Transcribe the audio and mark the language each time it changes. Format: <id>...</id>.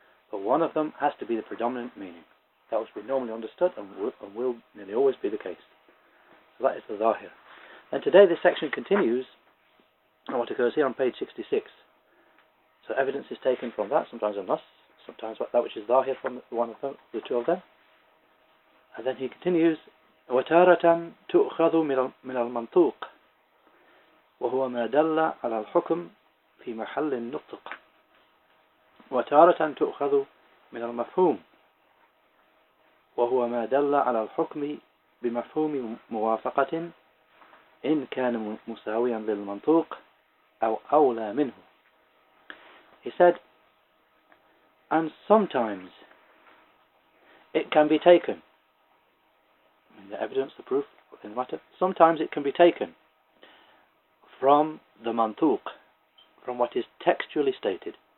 <en>But one of them has to be the predominant meaning. That which we normally understood and will nearly always be the case. So that is the zahir. And today this section continues on what occurs here on page 66. So evidence is taken from that, sometimes on us, sometimes that which is zahir from the 2 of them. And then he continues,</en> <ar>وَتَارَةً تُؤْخَذُ مِنَ الْمَنْطُوقِ وَهُوَ مَا دَلَّ عَلَى الْحُكُمِ فِي مَحَلِّ النُّطْقِ وَتَارَةً تُؤْخَذُ مِنَ الْمَفْهُومِ وَهُوَ مَا دَلَّ عَلَى الْحُكْمِ بِمَفْهُومِ مُوَافَقَةٍ إِنْ كَانَ مُسَاوِيًا لِلْمَنْطُوقِ أَوْ أَوْلَى مِنْهُ.</ar> <en>He said, and sometimes it can be taken. I mean, the evidence, the proof in the matter, sometimes it can be taken from the mantuq, from what is textually stated.</en>